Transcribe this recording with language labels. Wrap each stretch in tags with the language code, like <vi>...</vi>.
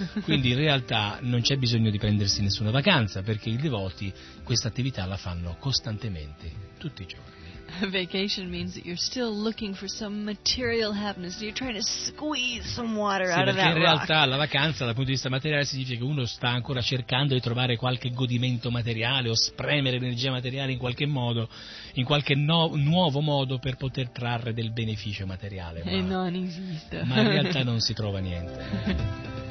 <it>Quindi in realtà non c'è bisogno di prendersi nessuna vacanza, perché i devoti questa attività la fanno costantemente, tutti i giorni.</it> <en>A vacation means that you're still looking for some material happiness. You're trying to squeeze some water out of that rock.</en> <it>In realtà la vacanza dal punto di vista materiale significa che uno sta ancora cercando di trovare qualche godimento materiale o spremere l'energia materiale in qualche modo, in qualche nuovo modo per poter trarre del beneficio materiale. E non esiste. Ma in realtà non si trova niente.</it>